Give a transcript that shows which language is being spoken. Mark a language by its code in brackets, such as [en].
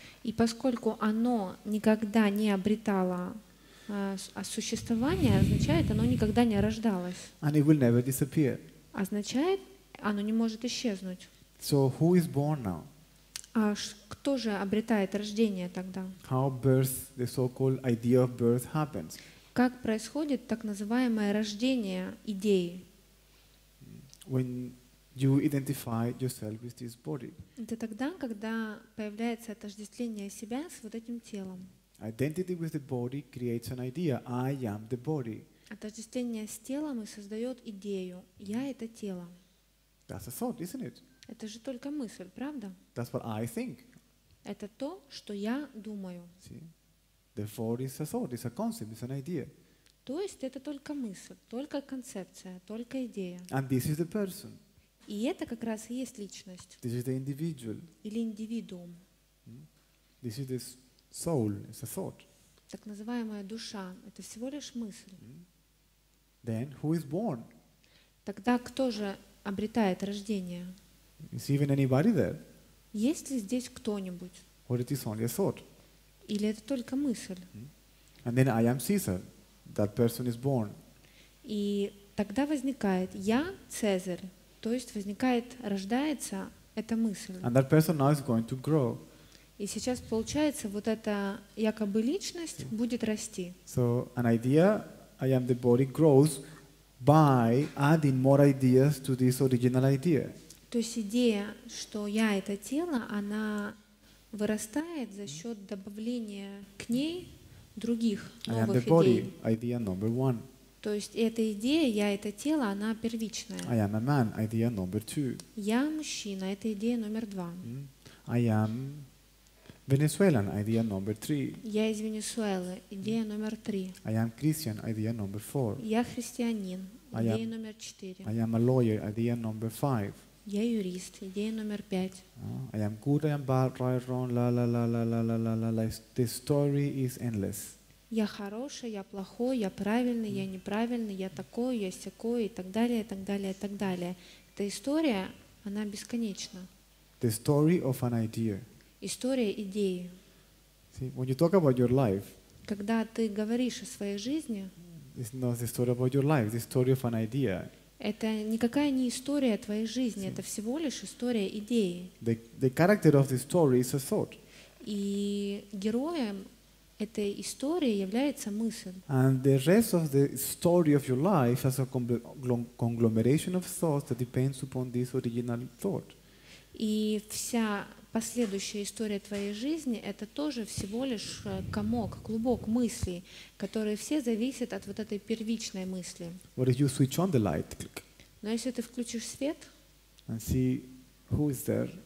[ru] И поскольку оно никогда не обретало существование, означает, оно никогда не рождалось. [en] And it will never disappear. [ru] Означает, оно не может исчезнуть. [en] So who is born now? [ru] А кто же обретает рождение тогда? [en] How birth, the so-called idea of birth happens? [ru] Как происходит так называемое рождение идеи? [en] When you identify yourself with this body. [ru] Это тогда, когда появляется отождествление себя с вот этим телом. [en] Identity with the body creates an idea. I am the body. [ru] Отождествление с телом и создает идею. Я это тело. [en] That's a thought, isn't it? [ru] Это же только мысль, правда? [en] That's what I think. [ru] Это то, что я думаю. [en] See? Therefore, it's a thought, it's a concept, it's an idea. [ru] То есть это только мысль, только концепция, только идея. [en] And this is the person. [ru] И это как раз и есть личность. [en] This is the individual. [ru] Или индивидуум. [en] This is the soul, it's a thought. [ru] Так называемая душа — это всего лишь мысль. [en] Then who is born? [ru] Тогда кто же обретает рождение? [en] Is even anybody there? [ru] Есть ли здесь кто-нибудь? [en] Or it is only a thought? [ru] Или это только мысль? [en] And then I am Caesar. That person is born. [ru] И тогда возникает я Цезарь. То есть возникает, рождается эта мысль. [en] And that person now is going to grow. [ru] И сейчас получается вот эта якобы личность будет расти. [en] So an idea, I am the body, grows by adding more ideas to this original idea. [ru] То есть идея, что я это тело, она вырастает за счет добавления к ней других новых [en] I am the body, [ru] идей. [en] Idea number one. [ru] То есть эта идея, я это тело, она первичная. [en] I am a man, idea number two. [ru] Я мужчина, это идея номер два. [en] I am Venezuelan, idea number [ru] three. Я из Венесуэлы, идея номер три. [en] I am Christian, idea number four. [ru] Я христианин, идея номер четыре. [en] I am a lawyer, idea number five. [ru] Я юрист, идея номер пять. [en] I am good, I am bad, right, wrong, la la la la la la la la la. The story is endless. [ru] Я хороший, я плохой, я правильный, я неправильный, я такой, я сякой, и так далее, и так далее, и так далее. Эта история, она бесконечна. [en] The story of an idea. [ru] История идеи. [en] See, when you talk about your life, [ru] когда ты говоришь о своей жизни, [en] it's not the story about your life, the story of an idea. [ru] Это никакая не история твоей жизни, это всего лишь история идеи. [en] The character of the story is a thought. [ru] И героем этой истории является мысль. [en] And the rest of the story of your life is a conglomeration of thoughts that depends upon this original thought. [ru] И вся последующая история твоей жизни — это тоже всего лишь комок, клубок мыслей, которые все зависят от вот этой первичной мысли. [en] What if you switch on the light? Click. [ru] Но если ты включишь свет [en] and see who is there,